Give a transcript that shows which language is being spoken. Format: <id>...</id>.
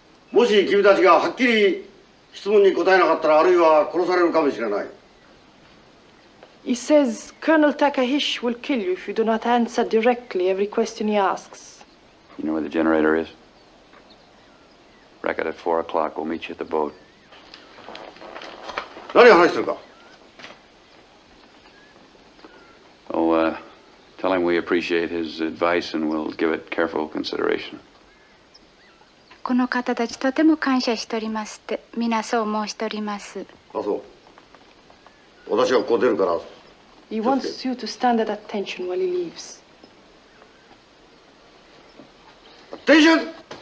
<ja>もし君たちがはっきり質問に答えなかったら、あるいは殺されるかもしれない。</ja> <en>He says Colonel Takahashi will kill you if you do not answer directly every question he asks. You know where the generator is? Wreck it at 4 o'clock. We'll meet you at the boat.</en> <ja>何話してるか。</ja> <en>Oh, tell him we appreciate his advice and we'll give it careful consideration.</en> <ja>この方たちとても感謝しておりますって、みなそう申しております。あ、そう。私はここ出るから。</ja> <en>He wants you to stand at attention while he leaves. Attention!</en>